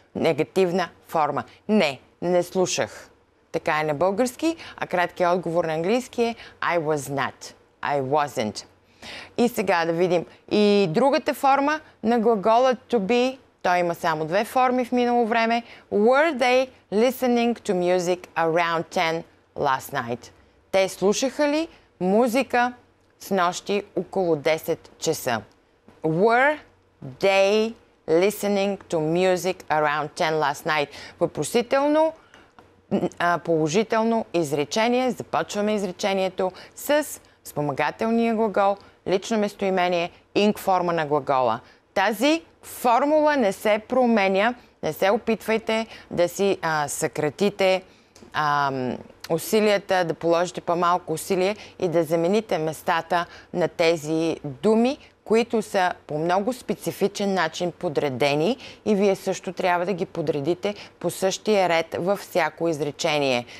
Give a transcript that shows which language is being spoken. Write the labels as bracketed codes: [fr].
[bg] Негативна форма. Не, не слушах. Така е на български, а краткият отговор на английски е [en] I was not. I wasn't. [bg] И сега да видим и другата форма на глагола to be. Той има само две форми в минало време. [en] Were they listening to music around 10 last night? [bg] Те слушаха ли музика с нощи около 10 часа? [en] Were they listening to music around 10 last night? [bg] Въпросително, положително изречение. Започваме изречението с спомагателния глагол, лично местоимение, инк форма на глагола. Тази формула не се променя. Не се опитвайте да си съкратите усилията, да положите по-малко усилие и да замените местата на тези думи, които са по много специфичен начин подредени и вие също трябва да ги подредите по същия ред във всяко изречение.